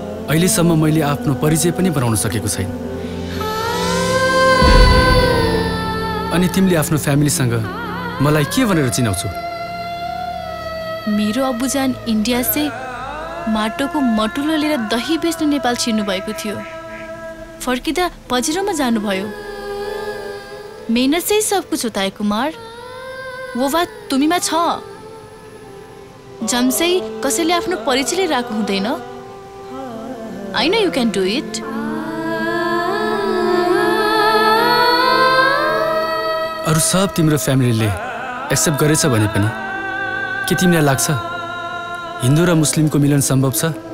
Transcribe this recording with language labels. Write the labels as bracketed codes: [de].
[ne] अहिलेसम्म मैले आफ्नो परिचय पनि बनाउन सकेको छैन, अनि तिमीले आफ्नो फ्यामिलीसँग मलाई के भनेर चिनाउँछौ? मेरो अबुजान इन्डिया से माटोको मटुलो लिएर दही बेच्न नेपाल छिर्नु भएको थियो, फर्किँदा पजिरोमा जानुभयो। मेहनत चाहिँ [hi] सब कुछ [ne] हो ताए कुमार, [hi] वो बात [ne] तुमीमा छ। जम्सै कसैले आफ्नो परिचय राख्नु हुँदैन। [en] I know you can do it. [ne] अरू सब तिम्रो फ्यामिलीले एक्सेप्ट गरेछ भने पनि के तिमीलाई लाग्छ हिन्दू र मुस्लिमको मिलन सम्भव छ?